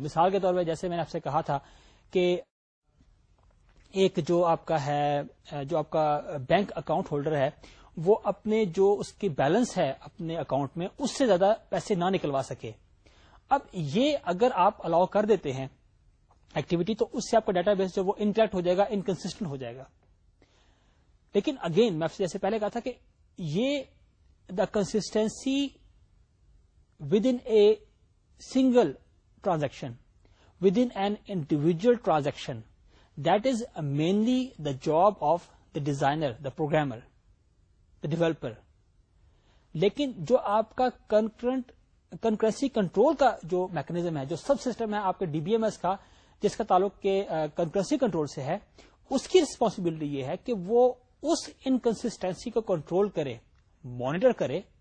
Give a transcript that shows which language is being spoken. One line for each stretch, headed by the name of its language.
Urdu: مثال کے طور پہ جیسے میں نے آپ سے کہا تھا کہ ایک جو آپ کا ہے, جو آپ کا بینک اکاؤنٹ ہولڈر ہے, وہ اپنے جو اس کی بیلنس ہے اپنے اکاؤنٹ میں اس سے زیادہ پیسے نہ نکلوا سکے. اب یہ اگر آپ الاؤ کر دیتے ہیں ایکٹیویٹی, تو اس سے آپ کا ڈیٹا بیس جو وہ انٹریکٹ ہو جائے گا, انکنسٹنٹ ہو جائے گا. لیکن اگین میں جیسے پہلے کہا تھا کہ یہ
English: The consistency within a single transaction, within an individual transaction, that is mainly the job of the designer, the programmer, the developer.
Urdu: لیکن جو آپ کا کنکرنسی کنٹرول کا جو میکنیزم ہے, جو سب سسٹم ہے آپ کے ڈی بی ایم ایس کا جس کا تعلق کے کنکرنسی کنٹرول سے ہے, اس کی ریسپانسبلٹی یہ ہے کہ وہ اس انکنسٹنسی کو کنٹرول کرے, مانیٹر کرے.